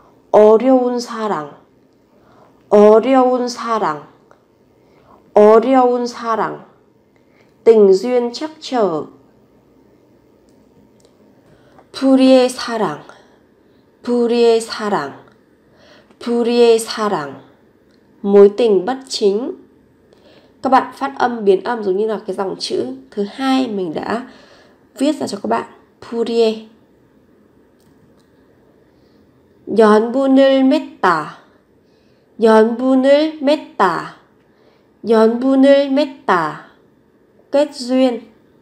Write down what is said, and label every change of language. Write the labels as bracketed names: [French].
[Korean] 어려운 사랑, 어려운 사랑, 어려운 사랑. [Vietnamese] Tình duyên chắc chờ. [Korean] 불의 사랑, 불의 사랑, 불의 사랑. [Vietnamese] Mối tình bất chính. Các bạn phát âm biến âm giống như là cái dòng chữ thứ hai mình đã viết ra cho các bạn. [Korean] 불의. 연분을 맺다, 연분을 맺다, 연분을 맺다. [Vietnamese] Kết duyên.